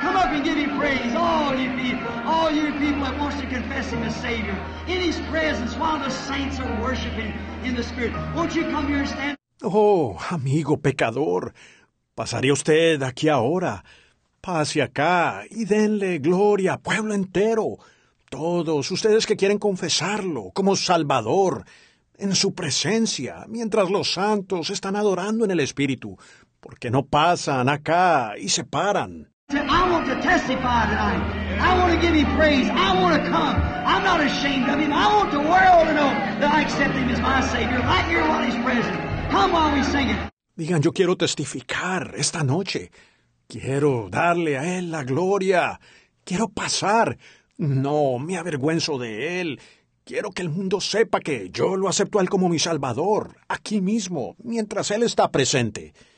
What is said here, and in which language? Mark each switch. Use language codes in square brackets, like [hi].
[en] Come up and give him praise. All you people that wants to confess him as Savior in his presence while the saints are worshiping in the Spirit. Won't you come here and stand? [es] Oh, amigo pecador, ¿pasaría usted aquí ahora? Pase acá y denle gloria, pueblo entero. Todos ustedes que quieren confesarlo como Salvador en su presencia mientras los santos están adorando en el Espíritu. ¿Por qué no pasan acá y se paran? [en] I want to testify tonight. I want to give him praise. I want to come. I'm not ashamed of him. I want the world to know that I accept him as my Savior. Right here while he's present. Come while we sing it. [es] Digan, yo quiero testificar esta noche. Quiero darle a él la gloria. Quiero pasar. No me avergüenzo de él. Quiero que el mundo sepa que yo lo acepto a Él como mi Salvador, aquí mismo, mientras Él está presente.